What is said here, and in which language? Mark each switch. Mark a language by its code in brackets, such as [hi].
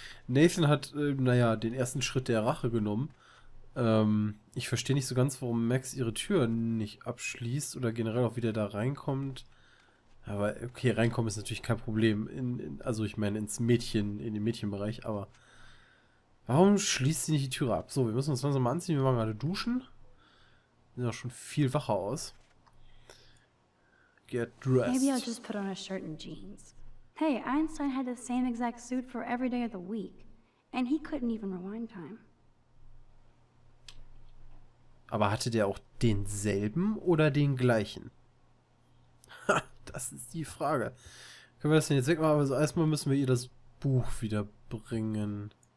[de] Nathan hat, naja, den ersten Schritt der Rache genommen. Ich verstehe nicht so ganz, warum Max ihre Tür nicht abschließt oder generell auch wieder da reinkommt. Aber okay, reinkommen ist natürlich kein Problem. Also ich meine ins Mädchen, in den Mädchenbereich, aber warum schließt sie nicht die Tür ab? So, wir müssen uns langsam mal anziehen, wir waren gerade duschen. Sieht auch schon viel wacher aus. [en] Get dressed. Maybe I'll just put on a shirt and jeans. Hey, Einstein had the same exact suit for every day of the week, and he couldn't even rewind time. [de] Aber hatte der auch denselben oder den gleichen? Ha, das ist die Frage. Können wir das denn jetzt wegmachen? Aber also erstmal müssen wir ihr das Buch wieder bringen.